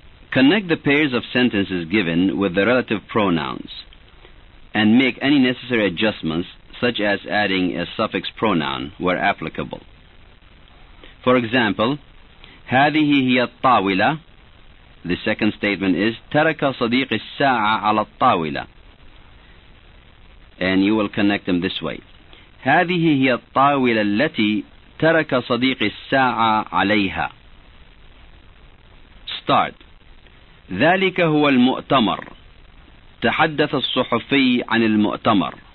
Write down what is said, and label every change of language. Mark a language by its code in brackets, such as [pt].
[en] Connect the pairs of sentences given with the relative pronouns and make any necessary adjustments, such as adding a suffix pronoun where applicable. For example, [ar] هذه هي الطاولة. [en] The second statement is [ar] ترك صديقي الساعة على الطاولة. [en] And you will connect them this way. [ar] هذه هي الطاولة التي ترك صديقي الساعة عليها. Start. ذلك هو المؤتمر. تحدث الصحفي عن المؤتمر.